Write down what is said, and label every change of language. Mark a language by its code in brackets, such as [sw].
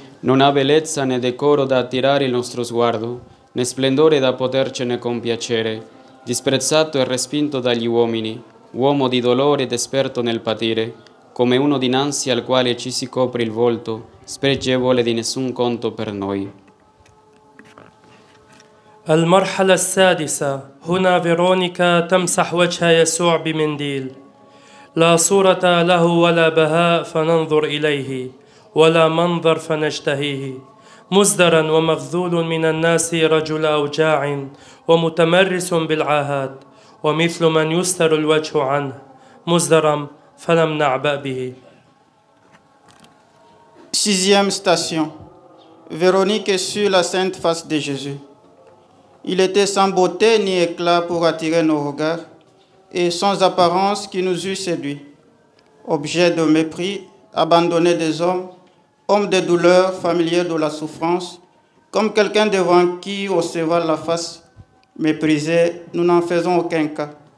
[it] Non ha bellezza né decoro da attirare il nostro sguardo, né splendore da potercene compiacere. Disprezzato e respinto dagli uomini, uomo di dolore ed esperto nel patire, come uno dinanzi al quale ci si copre il volto, spregevole di nessun conto per noi. [ar] المرحلة السادسة هنا فيرونيكا تمسح وجه يسوع بمنديل. لا صورة له ولا بهاء فننظر إليه ولا منظر فنشتهيه. مزدرا ومغذول من الناس رجل أوجاع ومتمرس بالعاهات ومثل من يستر الوجه عنه مزدرا فلم نعبأ به. [fr] Sixième station. Véronique est sur la sainte face de Jésus. Il était sans beauté ni éclat pour attirer nos regards et sans apparence qui nous eût séduit. Objet de mépris, abandonné des hommes, homme de douleur, familier de la souffrance, comme quelqu'un devant qui on se voit la face, méprisé, nous n'en faisons aucun cas.